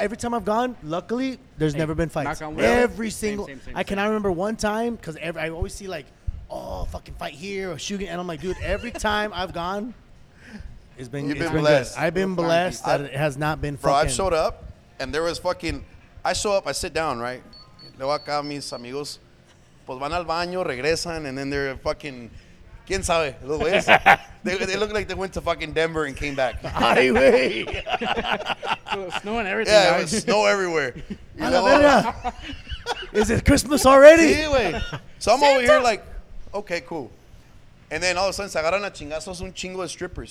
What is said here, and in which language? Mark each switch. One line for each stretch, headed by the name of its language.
English: Every time I've gone, luckily, there's never been fights. Knock on wood. Every single, same. I cannot remember one time, because I always see like, oh, fucking fight here, or shooting, and I'm like, dude, every time I've gone, it's been, you've it's been blessed. Good. I've been blessed that it has not been fucking. Bro, I've showed up, and there was fucking, I show up, I sit down, right?
Spanish: Luego acá mis amigos, pues van al baño, regresan,
English: and then they're fucking,
Spanish: quién sabe, los güeyes.
English: They look like they went to fucking Denver and came back. Highway. So it was snowing everything. Yeah, right? It was snow everywhere. You know? Is it Christmas already?
Spanish: Sí, güey.
English: So I'm Santa. Over here like, okay, cool. And then all of a sudden,
Spanish: se agarran a chingazos un chingo de strippers.